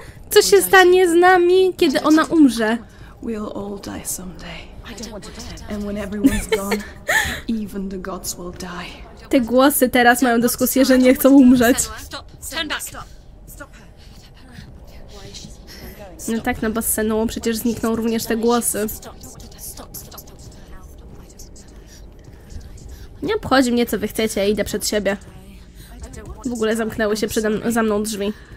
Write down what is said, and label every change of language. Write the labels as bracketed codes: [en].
[pl] Co się stanie z nami, kiedy ona umrze? [en] We'll all die someday. And when everyone's gone, even the gods will die. [pl] Te głosy teraz mają dyskusję, że nie chcą umrzeć. No tak, no bo z Senuą przecież znikną również te głosy. Nie obchodzi mnie, co wy chcecie, ja idę przed siebie. W ogóle zamknęły się za mną drzwi.